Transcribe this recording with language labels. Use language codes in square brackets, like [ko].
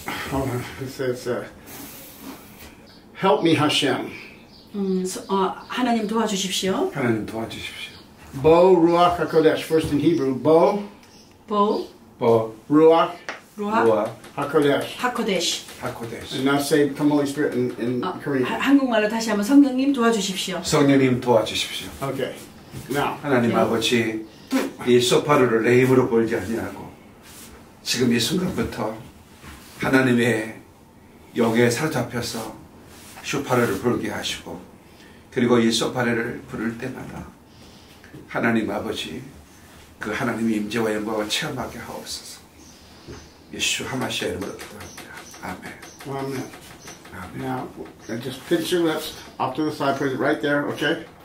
[en] Hold on. It says, "Help me, Hashem." [ko] 하나님 도와주십시오. 하나님 도와주십시오. [he] Bo Ruach Hakodesh. [en] First in Hebrew, Bo. [he] Bo. Bo. Ruach. Ruach. Hakodesh. Hakodesh. Hakodesh. [en] And now say, "Come, Holy Spirit," in Korean. [ko] 한국말로 다시 한번 성령님 도와주십시오. 성령님 도와주십시오. [en] Okay. Now. [ko] 하나님 [en] okay. [ko] 아버지, 이 소파를 내 힘으로 벌지 아니하고 지금 이 순간부터. 하나님의 영에 사로잡혀서 쇼파레를 부르게 하시고 그리고 이 쇼파레를 부를 때마다 하나님 아버지 그 하나님의 임재와 영광을 체험하게 하옵소서. 예수 하마시아 이름으로 기도합니다. 아멘. 아멘. [en] Now, and just pinch your lips off to the side, put it right there, okay?